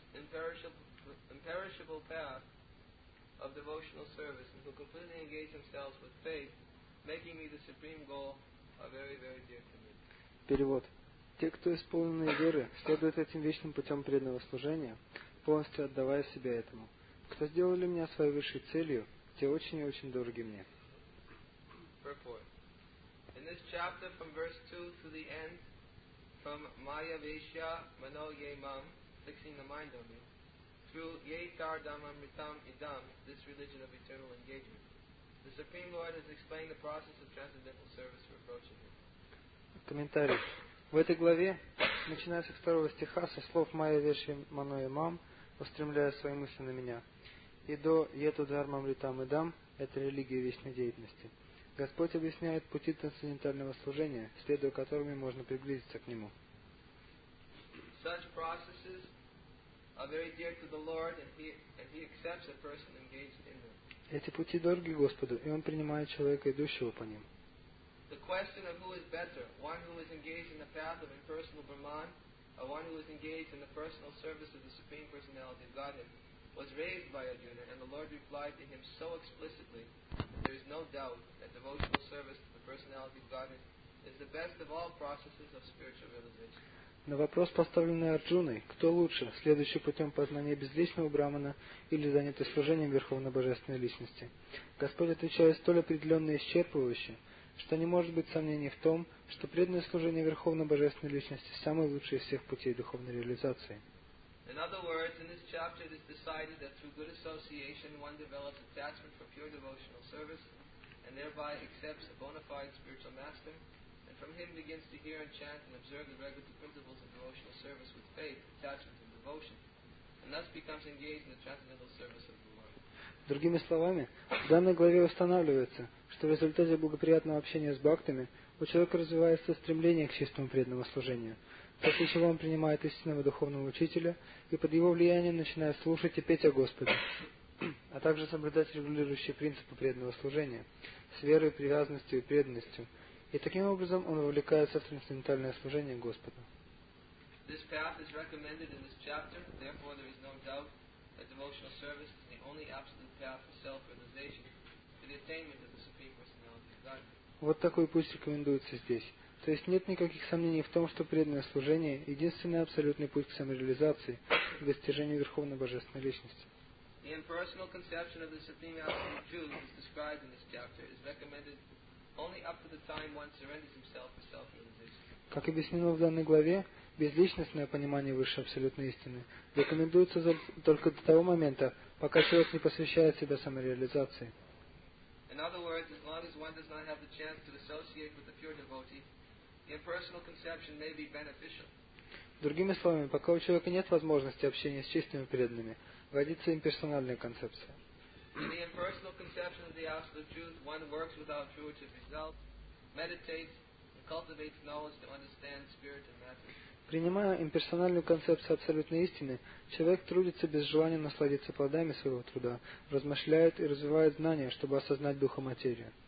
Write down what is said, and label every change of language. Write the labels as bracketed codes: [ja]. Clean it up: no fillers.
[en] imperishable path of devotional service and who completely engage themselves with faith, making me the supreme goal are very, very dear to me. [ru] Перевод. Те, кто исполнены веры, следуют этим вечным путем преданного служения, полностью отдавая себя этому. Кто сделали меня своей высшей целью, те очень и очень дороги мне. [en] In this chapter, from verse 2 to the end, from [sa] Maya Vesha Mano Ye Mam, [en] fixing the mind on me, through [sa] Ye Tar Dhamam Ritam Idam, [en] this religion of eternal engagement, the Supreme Lord has explained the process of transcendental service for approaching Him. [ru] Комментарий. В этой главе, начиная со второго стиха, со слов [sa] Майя Веши Мано Имам, [ru] устремляя свои мысли на меня, и до [sa] Ету Дхармам Ритам Идам, [ru] это религия вечной деятельности, Господь объясняет пути трансцендентального служения, следуя которыми можно приблизиться к Нему. [en] Such processes are very dear to the Lord, and he accepts a person engaged in them. [ru] Эти пути дороги Господу, и Он принимает человека, идущего по ним. [en] The question of who is better, one who is engaged in the path of impersonal Brahman, or one who is engaged in the personal service of the Supreme Personality of Godhead, was raised by Arjuna, and the Lord replied to him so explicitly that there is no doubt that devotional service to the Personality of Godhead is the best of all processes of spiritual realization. [ru] На вопрос, поставленный Арджуной, кто лучше, следующий путем познания безличного Брахмана или занятый служением Верховной Божественной Личности? Господь отвечает столь определенно и исчерпывающе, что не может быть сомнений в том, что преданное служение Верховной Божественной Личности – самый лучший из всех путей духовной реализации. [en] In other words, in this chapter it is decided that through good association one develops attachment for pure devotional service and thereby accepts a bona fide spiritual master and from him begins to hear and chant and observe the regular principles of devotional service with faith, attachment and devotion and thus becomes engaged in the transcendental service of the Lord. [ru] Другими словами, в данной главе устанавливается, что в результате благоприятного общения с бхактами у человека развивается стремление к чистому преданному служению, после чего он принимает истинного духовного учителя и под его влиянием начинает слушать и петь о Господе, а также соблюдать регулирующие принципы преданного служения с верой, привязанностью и преданностью. И таким образом он вовлекается в трансцендентальное служение Господу. [en] This path is recommended in this chapter, therefore there is no doubt that devotional service is the only absolute path for self-realization to the attainment of the Supreme Personality of God. [ru] Вот такой путь рекомендуется здесь. То есть нет никаких сомнений в том, что преданное служение – единственный абсолютный путь к самореализации и достижению Верховной Божественной Личности. [en] The impersonal conception of the Supreme Absolute Truth is described in this chapter is recommended only up to the time one surrenders himself to self-realization. [ru] Как объяснено в данной главе, безличностное понимание Высшей Абсолютной Истины рекомендуется только до того момента, пока человек не посвящает себя самореализации. [en] In other words, as long as one does not have the chance to associate with the pure devotee, the impersonal conception may be beneficial. [ru] Другими словами, пока у человека нет возможности общения с чистыми преданными, вводится имперсональная концепция. [en] In the impersonal conception of the Absolute Truth, one works without fruitive results, meditates, and cultivates knowledge to understand spirit and matter. [ru] Принимая имперсональную концепцию абсолютной истины, человек трудится без желания насладиться плодами своего труда, размышляет и развивает знания, чтобы осознать духа материи.